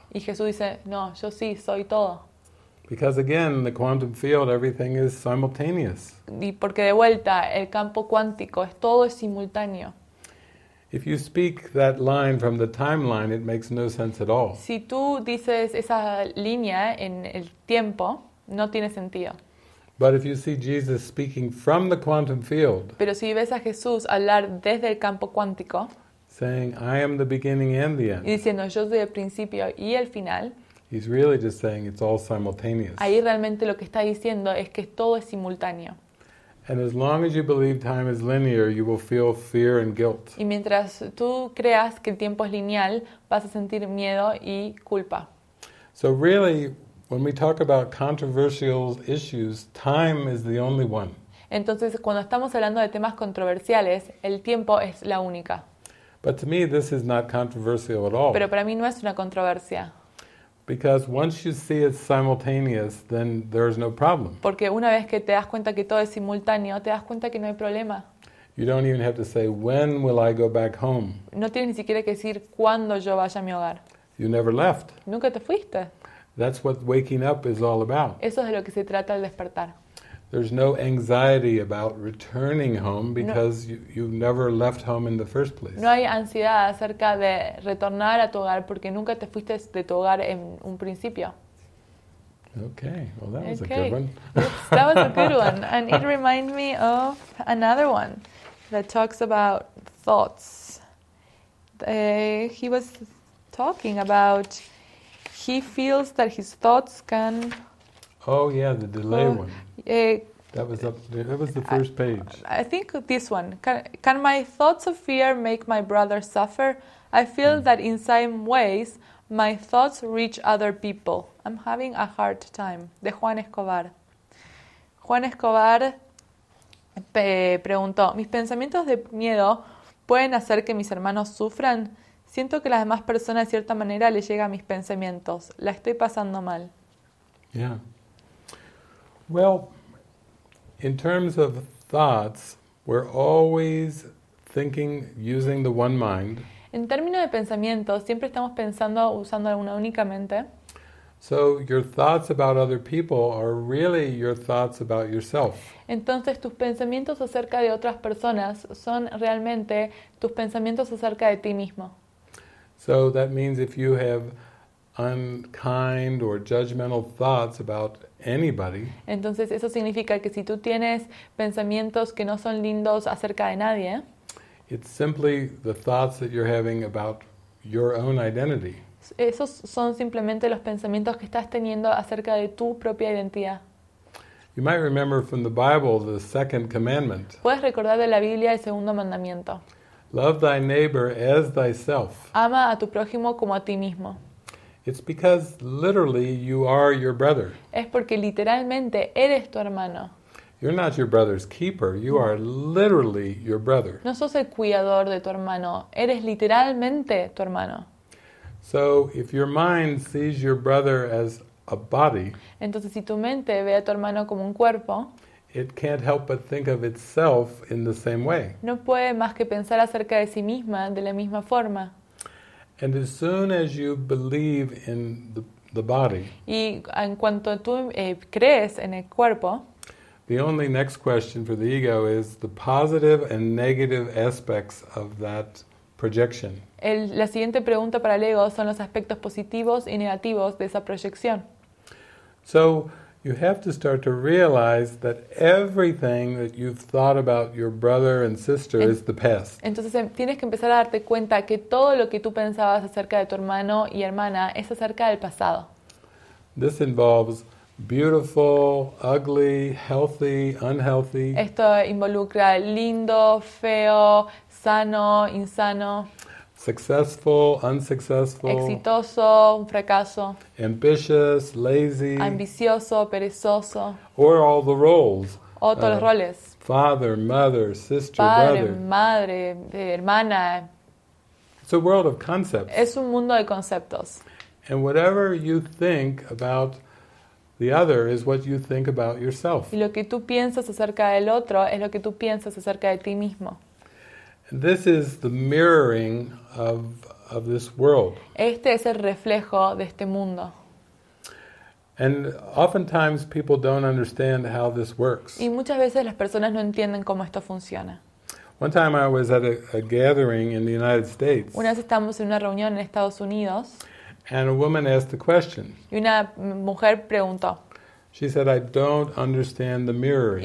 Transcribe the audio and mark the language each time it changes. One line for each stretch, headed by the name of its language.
Spanish: Y Jesús dice, "No, yo sí soy todo."
English: Because again, the quantum field, everything is simultaneous.
Spanish: Y porque de vuelta, el campo cuántico, todo es simultáneo.
English: If you speak that line from the timeline, it makes no sense at all.
Spanish: Si tú dices esa línea en el tiempo, no tiene sentido.
English: But if you see Jesus speaking from the quantum field,
Spanish: pero si ves a Jesús hablar desde el campo cuántico,
English: saying, "I am the beginning and the end,"
Spanish: y diciendo, "Yo soy el principio y el final,"
English: he's really just saying it's all simultaneous.
Spanish: Ahí realmente lo que está diciendo es que todo es simultáneo.
English: And as long as you believe time is linear, you will feel fear and guilt.
Spanish: Y mientras tú creas que el tiempo es lineal, vas a sentir miedo y culpa.
English: So really, when we talk about controversial issues, time is the only one.
Spanish: Entonces, cuando estamos hablando de temas controversiales, el tiempo es la única.
English: But to me, this is not controversial at all.
Spanish: Pero para mí no es una controversia.
English: Because once you see it's simultaneous, then there's no problem.
Spanish: Porque una vez que te das cuenta que todo es simultáneo, te das cuenta que no hay problema.
English: You don't even have to say, "When will I go back home?"
Spanish: No tienes ni siquiera que decir cuándo yo vaya a mi hogar.
English: You never left.
Spanish: Nunca te fuiste.
English: That's what waking up is all about.
Spanish: Eso es de lo que se trata al despertar.
English: There's no anxiety about returning home because you never left home in the first place.
Spanish: No hay ansiedad acerca de retornar a tu hogar porque nunca te fuiste de tu hogar en un principio.
English: Okay, well that was okay. A good one. Yes, that was a good one. And it reminded me of another one that talks about thoughts. He was talking about he feels that his thoughts can... Oh yeah, the delay one. That was the first page. I think this one. Can my thoughts of fear make my brother suffer? I feel that in some ways my thoughts reach other people. I'm having a hard time.
Spanish: De Juan Escobar. Juan Escobar preguntó, ¿mis pensamientos de miedo pueden hacer que mis hermanos sufran? Siento que las demás personas de cierta manera les llega a mis pensamientos. La estoy pasando mal.
English: Yeah. Well, in terms of thoughts, we're always thinking using the one mind.
Spanish: En términos de pensamientos, siempre estamos pensando usando una única mente.
English: So your thoughts about other people are really your thoughts about yourself.
Spanish: Entonces tus pensamientos acerca de otras personas son realmente tus pensamientos acerca de ti mismo.
English: So that means if you have unkind or judgmental thoughts about anybody.
Spanish: Entonces eso significa que si tú tienes pensamientos que no son lindos acerca de nadie,
English: it's simply the thoughts that you're having about your own identity.
Spanish: Esos son simplemente los pensamientos que estás teniendo acerca de tu propia identidad.
English: You might remember from the Bible the second commandment.
Spanish: Puedes recordar de la Biblia el segundo mandamiento.
English: Love thy neighbor as thyself.
Spanish: Ama a tu prójimo como a ti mismo.
English: It's because literally you are your brother.
Spanish: Es porque literalmente eres tu hermano.
English: You're not your brother's keeper. You are literally your brother.
Spanish: No sos el cuidador de tu hermano. Eres literalmente tu hermano.
English: So if your mind sees your brother as a body,
Spanish: entonces si tu mente ve a tu hermano como un cuerpo,
English: it can't help but think of itself in the same way.
Spanish: No puede más que pensar acerca de sí misma de la misma forma.
English: And as soon as you believe in the body,
Spanish: y en cuanto tú crees en el cuerpo,
English: the only next question for the ego is the positive and negative aspects of that projection.
Spanish: La siguiente pregunta para el ego son los aspectos positivos y negativos de esa proyección.
English: So you have to start to realize that everything that you've thought about your brother and sister is the past.
Spanish: Entonces tienes que empezar a darte cuenta que todo lo que tú pensabas acerca de tu hermano y hermana es acerca del pasado.
English: This involves beautiful, ugly, healthy, unhealthy.
Spanish: Esto involucra lindo, feo, sano, insano.
English: Successful, unsuccessful.
Spanish: Exitoso, un fracaso.
English: Ambitious, lazy.
Spanish: Ambicioso, perezoso.
English: Or all the roles.
Spanish: O todos los roles.
English: Father, mother, sister,
Spanish: padre,
English: brother.
Spanish: Madre, hermana.
English: It's a world of concepts.
Spanish: Es un mundo de conceptos.
English: And whatever you think about the other is what you think about yourself.
Spanish: Y lo que tú piensas acerca del otro es lo que tú piensas acerca de ti mismo.
English: This is the mirroring of this world.
Spanish: Este es el reflejo de este mundo.
English: And oftentimes people don't understand how this works.
Spanish: Y muchas veces las personas no entienden cómo esto funciona.
English: One time I was at a gathering in the United States.
Spanish: Una vez estábamos en una reunión en Estados Unidos.
English: And a woman asked the question.
Spanish: Y una mujer preguntó.
English: She said, "I don't understand the mirroring."